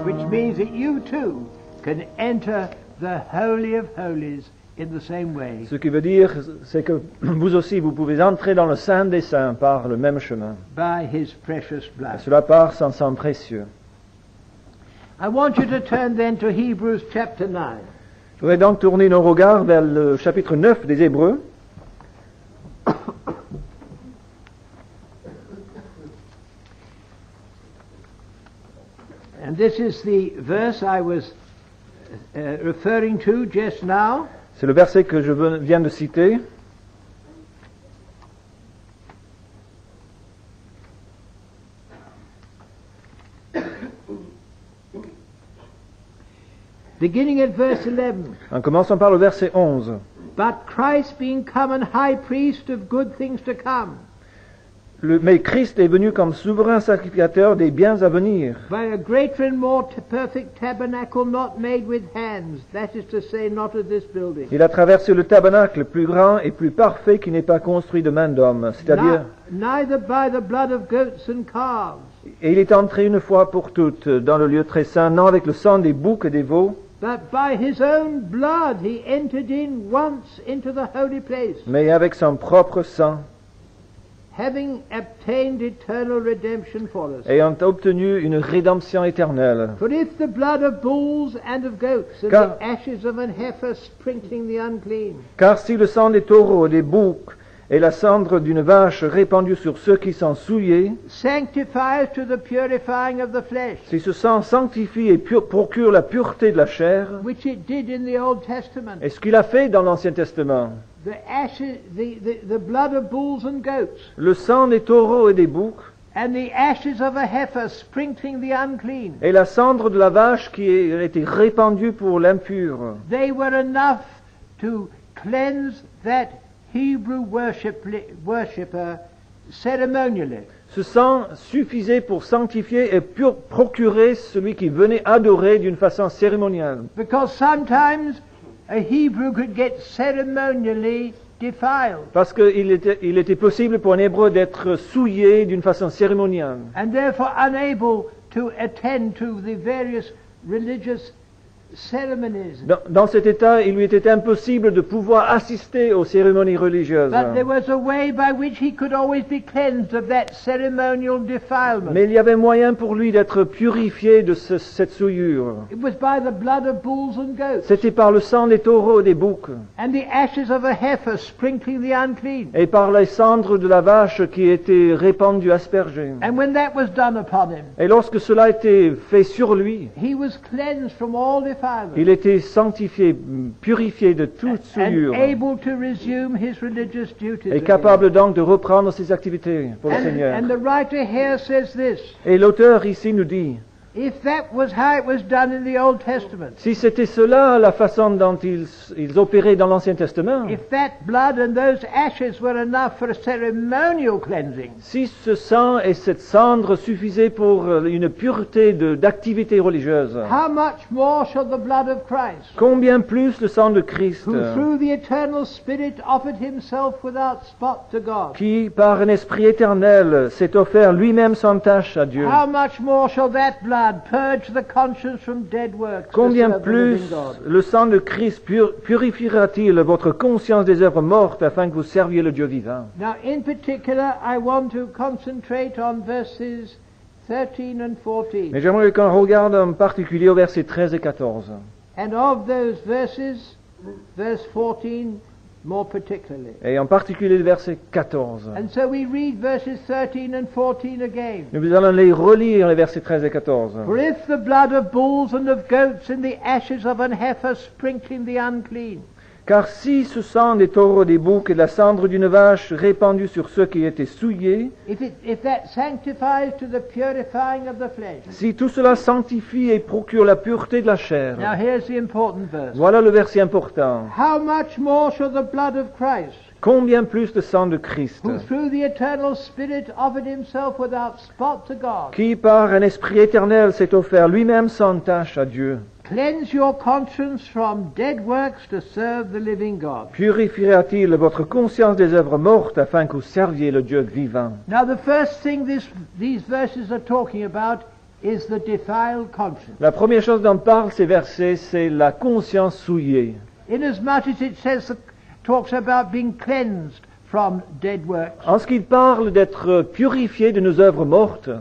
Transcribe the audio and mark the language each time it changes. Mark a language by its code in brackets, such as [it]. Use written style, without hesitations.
[en] Means that you too can enter the Holy of Holies in the same way. [fr] Ce qui veut dire, c'est que vous aussi, vous pouvez entrer dans le Saint des Saints par le même chemin. [en] By his precious blood. [fr] Et cela par son sang précieux. [en] I want you to turn then to Hebrews chapter 9. [fr] Je voudrais donc tourner nos regards vers le chapitre 9 des Hébreux. [en] And this is the verse I was referring to just now. [fr] C'est le verset que je viens de citer. [en] Beginning at verse 11. [fr] En commençant par le verset 11. [en] But Christ being come and high priest of good things to come. [fr] Mais Christ est venu comme souverain sacrificateur des biens à venir. [en] By a greater and more perfect tabernacle not made with hands, that is to say, not of this building. [fr] Il a traversé le tabernacle plus grand et plus parfait qui n'est pas construit de main d'homme, c'est-à-dire. [en] Neither by the blood of goats and calves. [fr] Et il est entré une fois pour toutes dans le lieu très saint, non avec le sang des boucs et des veaux. [en] But by his own blood he entered in once into the holy place. [fr] Mais avec son propre sang. [en] Having obtained eternal redemption for us. [fr] Ayant obtenu une rédemption éternelle. [en] For if the blood of bulls and of goats and the ashes of an heifer sprinkling the unclean. [fr] Car si le sang des taureaux et des boucs et la cendre d'une vache répandue sur ceux qui sont souillés. [en] Sanctifies to the purifying of the flesh. [fr] Si ce sang sanctifie et procure la pureté de la chair. [en] Which it did in the Old Testament. [fr] Et ce qu'il a fait dans l'Ancien Testament. [en] The ashes, the blood of bulls and goats. [fr] Le sang des taureaux et des boucs. [en] And the ashes of a heifer sprinkling the unclean. [fr] Et la cendre de la vache qui a été répandue pour l'impur. [en] They were enough to cleanse that Hebrew worshipper ceremonially. [fr] Ce sang suffisait pour sanctifier et procurer celui qui venait adorer d'une façon cérémoniale. [en] Because sometimes a Hebrew could get ceremonially defiled. [fr] Parce qu'il était possible pour un Hébreu d'être souillé d'une façon cérémoniale. [en] And therefore unable to attend to the various religious ceremonies. [fr] Dans cet état, il lui était impossible de pouvoir assister aux cérémonies religieuses. [en] But there was a way by which he could always be cleansed of that ceremonial defilement. [fr] Mais il y avait moyen pour lui d'être purifié de cette souillure. [en] It was by the blood of bulls and goats. [fr] C'était par le sang des taureaux et des boucs. [en] And the ashes of a heifer sprinkling the unclean. [fr] Et par les cendres de la vache qui étaient répandues, aspergées. [en] And when that was done upon him. [fr] Et lorsque cela était fait sur lui. [en] He was cleansed from all. [fr] Il était sanctifié, purifié de toute souillure, [en] and able to resume his religious duties, [fr] et capable donc de reprendre ses activités pour le Seigneur. [en] And the writer here says this, [fr] et l'auteur ici nous dit, [en] if that was how it was done in the Old Testament, [fr] si c'était cela la façon dont ils opéraient dans l'Ancien Testament, [en] if that blood and those ashes were enough for a ceremonial cleansing, [fr] si ce sang et cette cendre suffisaient pour une pureté d'activité religieuse, [en] how much more shall the blood of Christ, [fr] combien plus le sang de Christ, [en] who through the eternal Spirit offered himself without spot to God, [fr] qui par un esprit éternel s'est offert lui-même sans tache à Dieu, [en] how much more shall that blood purge the conscience from dead works. [fr] Combien plus le sang de Christ purifiera-t-il votre conscience des œuvres mortes afin que vous serviez le Dieu vivant? [en] Now, in particular, I want to concentrate on verses 13 and 14. [fr] Mais j'aimerais qu'on regarde en particulier aux versets 13 et 14. [en] And of those verses, verse 14. More particularly. [fr] Et en particulier le verset 14. [en] And so we read verses 13 and 14 again. [fr] Nous allons les relire, les versets 13 et 14. [en] For if the blood of bulls and of goats and the ashes of an heifer sprinkling the unclean. [fr] Car si ce sang des taureaux, des boucs et de la cendre d'une vache répandue sur ceux qui étaient souillés, [en] if that sanctifies to the purifying of the flesh, [fr] si tout cela sanctifie et procure la pureté de la chair, [en] now here's the important verse. [fr] Voilà le verset important. [en] How much more shall the blood of Christ, [fr] combien plus le sang de Christ, [en] who through the eternal Spirit offered himself without spot to God, [fr] qui par un esprit éternel s'est offert lui-même sans tache à Dieu, [en] cleanse your conscience from dead works to serve the living God. [fr] Purifiera-t-il votre conscience des œuvres mortes afin que vous serviez le Dieu vivant? [en] Now the first thing these verses are talking about is the defiled conscience. [fr] La première chose dont parlent ces versets, c'est la conscience souillée. [en] Inasmuch as it says talks about being cleansed from dead works. [fr] En ce qu'il parle d'être purifié de nos œuvres mortes.